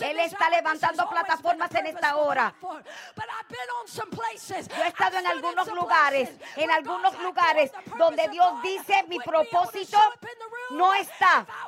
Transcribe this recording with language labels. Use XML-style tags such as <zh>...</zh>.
<es>Él está levantando plataformas en esta hora.</es> <en>But I've been on some places.</en> <es>Yo he estado en algunos lugares, en algunos lugares donde Dios dice mi propósito no está.</es>